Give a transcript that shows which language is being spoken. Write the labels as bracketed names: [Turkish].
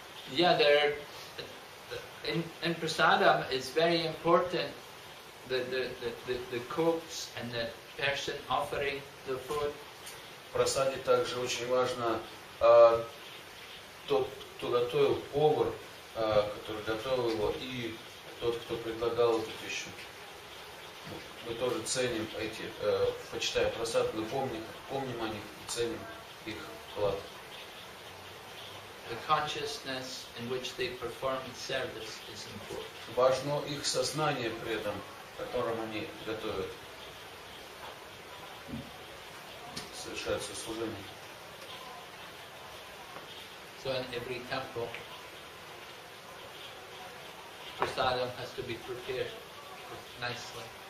[English] Yeah, there in prasadam it's very important the cooks and the person offering the food. [Russian] В прасаде также очень важно тот, кто готовил, повар, который готовил его, и тот, кто предлагал эту пищу. Мы тоже ценим эти, почитая прасад, мы помним о них и ценим их вклад. [English] The consciousness in which they perform service is important. [Russian] Важно их сознание при этом, которым они готовят, совершают все служение. [English] So in every temple, prasadam has to be prepared nicely.